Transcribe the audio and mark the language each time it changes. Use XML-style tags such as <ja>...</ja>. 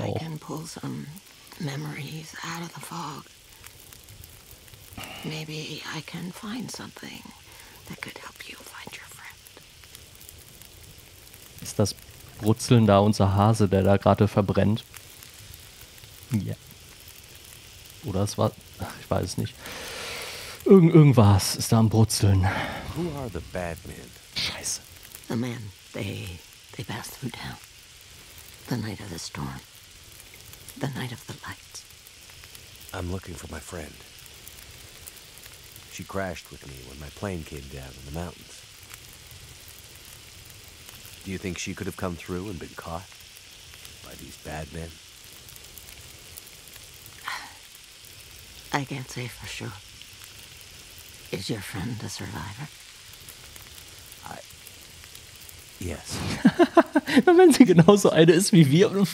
<en>Maybe I can pull some memories out of the fog. Maybe I can find something that could help you find your friend.</en> <de>Ist das Brutzeln da unser Hase, der da gerade verbrennt? Ja. Oder es war... Ach, ich weiß es nicht. Irgendwas ist da am Brutzeln.</de> <en>Who are the bad men?</en> <de>Scheiße.</de> <en>The men, they passed through town. The night of the storm. The night of the lights. I'm looking for my friend. She crashed with me when my plane came down in the mountains. Do you think she could have come through and been caught by these bad men? I can't say for sure. Is your friend a survivor? Yes.</en> <de>Wenn sie genauso eine ist wie wir.</de>